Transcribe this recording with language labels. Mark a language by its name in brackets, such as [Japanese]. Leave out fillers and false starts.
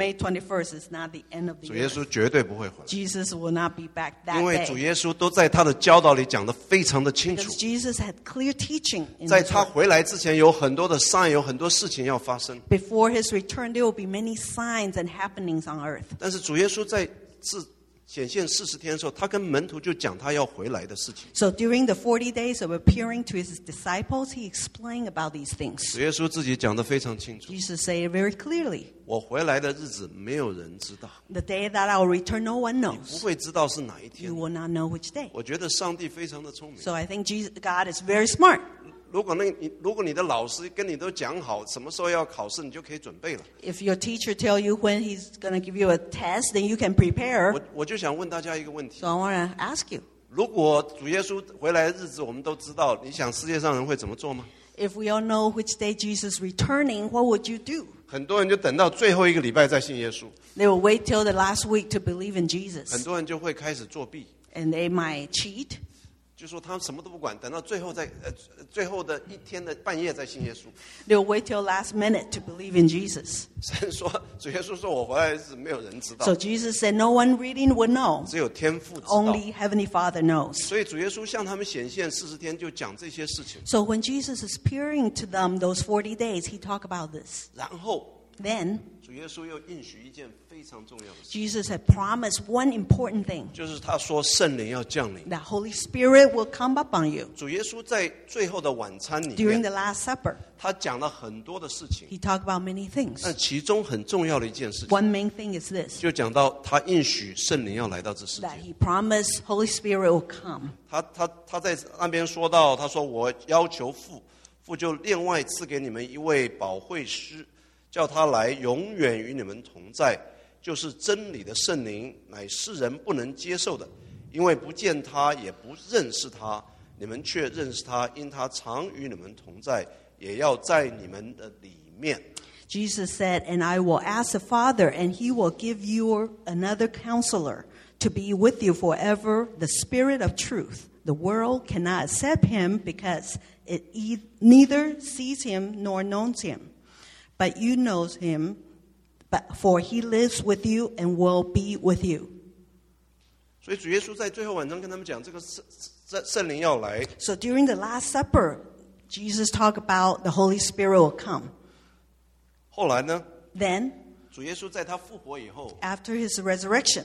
[English] May 21st is not the end of the year. [Chinese] 主耶稣绝对不会回来, [English] Jesus will not be back that day. [Chinese] 因为主耶稣都在他的教导里讲得非常的清楚, [English] because Jesus had clear teaching in his word. [Chinese] 在他回来之前, 有很多的sign, 有很多事情要发生, [English] before his return, there will be many signs and happenings on earth. [Chinese] 但是主耶稣在 显现40天的时候, [English] so during the 40 days of appearing to his disciples, he explained about these things. [Chinese] 主耶稣自己讲得非常清楚, [English] Jesus said it very clearly. [Chinese] 我回来的日子没有人知道, [English] the day that I will return, no one knows. [Chinese] 你不会知道是哪一天, [English] you will not know which day. [Chinese] 我觉得上帝非常的聪明, [English] so I think Jesus, God is very smart. [Chinese] 如果你的老师跟你都讲好什么时候要考试, 你就可以准备了。 [English] If your teacher tell you when he's going to give you a test, then you can prepare. [Chinese] 我就想问大家一个问题, [English] so I want to ask you, [Chinese] 如果主耶稣回来的日子我们都知道, 你想世界上人会怎么做吗? [English] If we all know which day Jesus is returning, what would you do? [Chinese] 很多人就等到最后一个礼拜再信耶稣, [English] they will wait till the last week to believe in Jesus. [Chinese] 很多人就会开始作弊, [English] and they might cheat. [Chinese] 就说他什么都不管, 等到最后再, 最后的一天的半夜再信耶稣。 [English] They'll wait till last minute to believe in Jesus. [Chinese] 神说, 主耶稣说我回来是没有人知道。 [English] So Jesus said no one really would know. [Chinese] 只有天父知道。 [English] Only Heavenly Father knows. [Chinese] 所以主耶稣向他们显现40天就讲这些事情。 [English] So when Jesus is appearing to them those 40 days, he talked about this. [Chinese] 然后, [English] then, [Chinese] 主耶稣又应许一件非常重要的事, [English] Jesus had promised one important thing. [Chinese] 就是他说圣灵要降临, [English] that Holy Spirit will come upon you. [Chinese] 主耶稣在最后的晚餐里面, [English] during the Last Supper, [Chinese] 他讲了很多的事情, [English] he talked about many things. [Chinese] 但其中很重要的一件事情, [English] one main thing is this, [Chinese] 就讲到他应许圣灵要来到这世界, [English] that he promised Holy Spirit will come. [Chinese] 他在那边说到, 他说我要求父就另外赐给你们一位保惠师, 叫他来永远与你们同在, 就是真理的圣灵, 乃世人不能接受的, 因为不见他, 也不认识他, 你们却认识他, 因他常与你们同在, 也要在你们的里面。 [English] Jesus said, and I will ask the Father, and he will give you another counselor to be with you forever, the Spirit of Truth. The world cannot accept him because it neither sees him nor knows him. But you know him, for he lives with you and will be with you. [Chinese] 所以主耶稣在最后晚上跟他们讲这个圣灵要来, [English] so during the Last Supper, Jesus talked about the Holy Spirit will come. [Chinese] 后来呢? [English] Then, [Chinese] 主耶稣在他复活以后 [English] after his resurrection,